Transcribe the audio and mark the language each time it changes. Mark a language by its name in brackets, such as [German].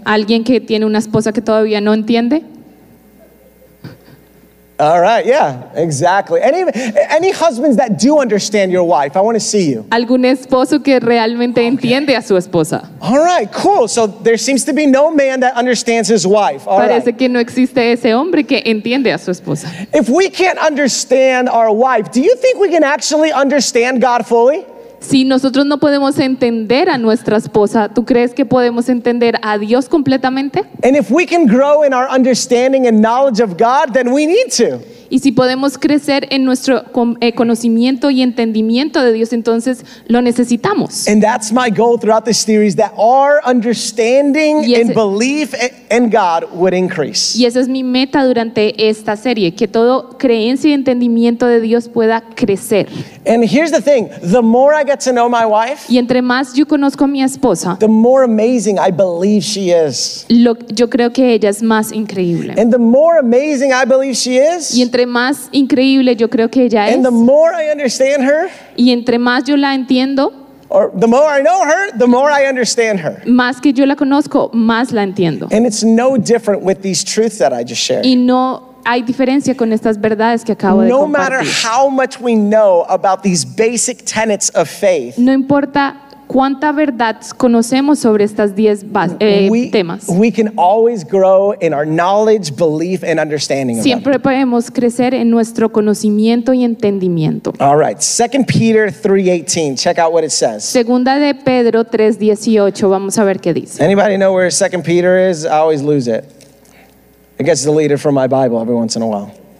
[Spanish] ¿Alguien que tiene una esposa que todavía no entiende? [English] All right, yeah, exactly. Any husbands that do understand your wife, I want to see you. [Spanish] ¿Algún esposo que realmente entiende a su esposa? [English] All right, cool. So there seems to be no man that understands his wife. All [Spanish] Parece [English] right. [Spanish] que no existe ese hombre que entiende a su esposa. [English] If we can't understand our wife, do you think we can actually understand God fully? [Spanish] Si nosotros no podemos entender a nuestra esposa, ¿tú crees que podemos entender a Dios completamente? [English] And if we can grow in our understanding and knowledge of God, then we need to. [Spanish] Y si podemos crecer en nuestro conocimiento y entendimiento de Dios, entonces lo necesitamos. [English] And that's my goal throughout this series, that our understanding and belief in God would increase. [Spanish] Y esa es mi meta durante esta serie, que todo creencia y entendimiento de Dios pueda crecer. [English] And here's the thing, the more I get to know my wife, [Spanish] y entre más yo conozco a mi esposa, [English] the more amazing I believe she is. [Spanish] Yo creo que ella es más increíble. [English] And the more amazing I believe she is, [Spanish] entre más increíble yo creo que ella [English] and [Spanish] es, [English] the more I understand her, [Spanish] y entre más yo la entiendo, [English] or the more I know her, the more I understand her. [Spanish] Más que yo la conozco, más la entiendo. [English] And it's no different with these truths that I just shared. [Spanish] Y no hay diferencia con estas verdades que acabo de compartir. [English] No matter how much we know about these basic tenets of faith, [Spanish] no importa cuánta verdad conocemos sobre estas 10 temas. [English] We can always grow in our knowledge, belief, and understanding. [Spanish] Siempre podemos crecer en nuestro conocimiento y entendimiento. [English] All right, 2 Peter 3:18. Check out what it says. [Spanish] Segunda de Pedro 3:18. Vamos a ver qué dice. [English] Anybody know where 2 Peter is? I always lose it. It gets deleted from my Bible every once in a while.